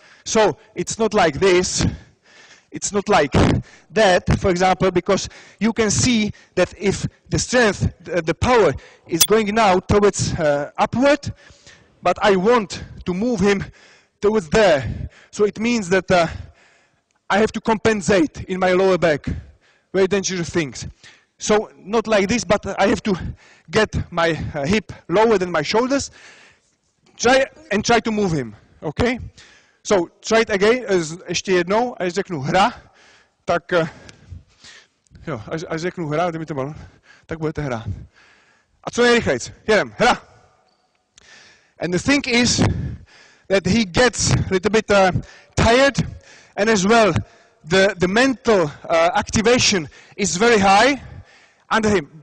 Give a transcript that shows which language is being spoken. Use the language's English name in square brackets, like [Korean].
[English] So it's not like this. It's not like that, for example, because you can see that if the strength, the power is going now towards upward, but I want to move him towards there. So it means that I have to compensate in my lower back. Very dangerous things. So not like this, but I have to get my hip lower than my shoulders. Try to move him, okay? So, try it again, [Czech] ještě jednou, až řeknu hra, tak, jo, až řeknu hra, kdy mi to malo, tak budete hrát. A co nejrychlejc. Jedem. Hra. [English] And the thing is that he gets a little bit tired, and as well the mental activation is very high under him.